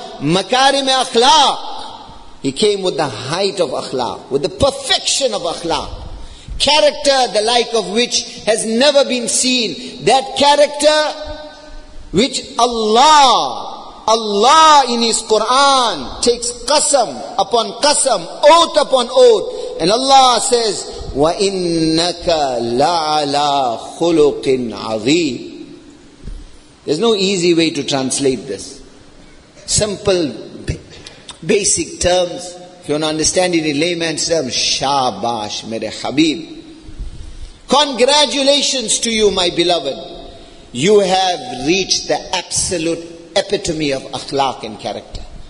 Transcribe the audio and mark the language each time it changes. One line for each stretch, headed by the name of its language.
English: Makarim akhlaq. He came with the height of akhlaq, with the perfection of akhlaq. Character the like of which has never been seen. That character which Allah in His Quran takes qasam upon qasam, oath upon oath. And Allah says,
Arabic: وَإِنَّكَ لَعَلَىٰ خُلُقٍ عَظِيمٍ.
English: There's no easy way to translate this. Simple, basic terms. If you want to understand it in layman's terms,
Urdu: شَابَاشْ مَرَيْ حَبِيبٍ.
English: Congratulations to you, my beloved. You have reached the absolute epitome of akhlaq and character.